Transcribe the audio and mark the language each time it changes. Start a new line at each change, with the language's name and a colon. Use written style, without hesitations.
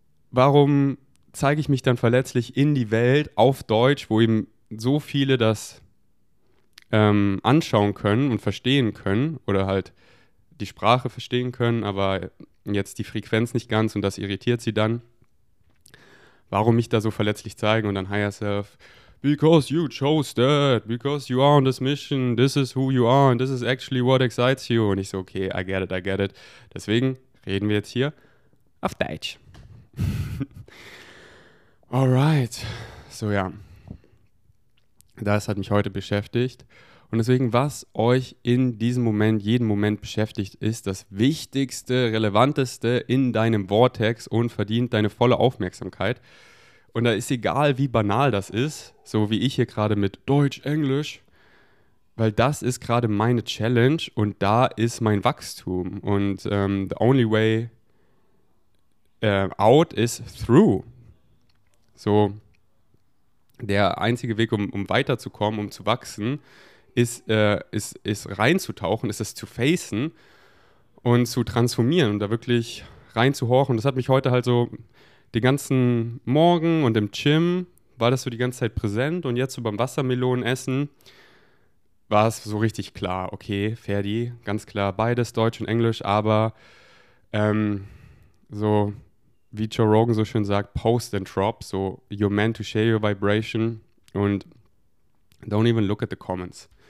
German: Warum zeige ich mich dann verletzlich in die Welt auf Deutsch, wo eben so viele das anschauen können und verstehen können oder halt die Sprache verstehen können, aber jetzt die Frequenz nicht ganz, und das irritiert sie dann. warum mich da so verletzlich zeigen und dann
English: Higher Self, because you chose that, because you are on this mission, this is who you are and this is actually what excites you.
German: Und ich so,
English: okay, I get it, I get it.
German: Deswegen reden wir jetzt hier auf Deutsch. Alright, so ja, das hat mich heute beschäftigt. Und deswegen, was euch in diesem Moment, jeden Moment beschäftigt, ist das Wichtigste, Relevanteste in deinem Vortex und verdient deine volle Aufmerksamkeit. Und da ist egal, wie banal das ist, so wie ich hier gerade mit Deutsch, Englisch, weil das ist gerade meine Challenge und da ist mein Wachstum.
English: Und the only way out is through.
German: So, der einzige Weg, um weiterzukommen, um zu wachsen, ist reinzutauchen, ist es zu facen und zu transformieren und da wirklich reinzuhorchen. Das hat mich heute halt so den ganzen Morgen und im Gym war das so die ganze Zeit präsent und jetzt so beim Wassermelonenessen war es so richtig klar, okay, Ferdi, ganz klar, beides, Deutsch und Englisch, aber so wie Joe Rogan so schön sagt,
English: post and drop, so you're meant to share your vibration
German: und
English: don't even look at the comments.